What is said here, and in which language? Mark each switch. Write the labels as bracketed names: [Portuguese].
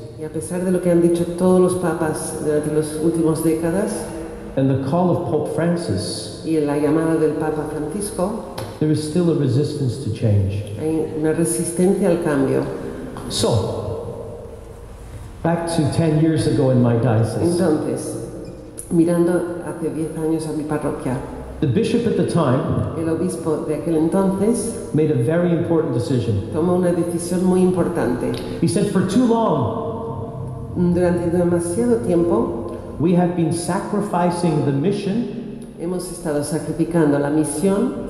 [Spanish] y a pesar de lo que han dicho todos los papas durante las últimas décadas, [English] and the call of Pope Francis, [Spanish] y la llamada del Papa Francisco, [English] there is still a resistance to change. [Spanish] Hay una resistencia al cambio. [English] So, back to 10 years ago in my diocese. [Spanish] Entonces, mirando hace 10 años a mi parroquia, [English] the bishop at the time, [Spanish] el obispo de aquel entonces, [English] made a very important decision. [Spanish] Tomó una decisión muy importante. [English] He said, for too long, [Spanish] durante demasiado tiempo, [English] we have been sacrificing the mission, [Spanish] hemos estado sacrificando la misión,